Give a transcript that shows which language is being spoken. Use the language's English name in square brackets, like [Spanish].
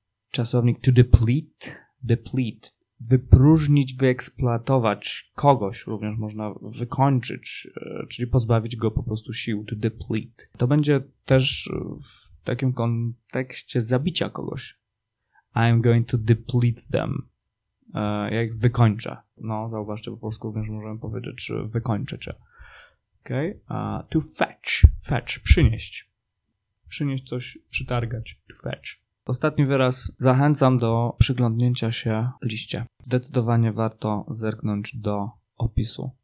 [Polish] Czasownik to deplete. Deplete. Wypróżnić, wyeksploatować kogoś, również można wykończyć, czyli pozbawić go po prostu sił. [English] To deplete. [Polish] To będzie też w takim kontekście zabicia kogoś. [English] I'm going to deplete them. [Polish] Ja ich wykończę. No, zauważcie, po polsku również możemy powiedzieć, że wykończę cię. [English] Okay? To fetch. Fetch. [Polish] Przynieść. Przynieść coś, przytargać. [English] To fetch. [Polish] Ostatni wyraz. Zachęcam do przyglądnięcia się liście. Zdecydowanie warto zerknąć do opisu.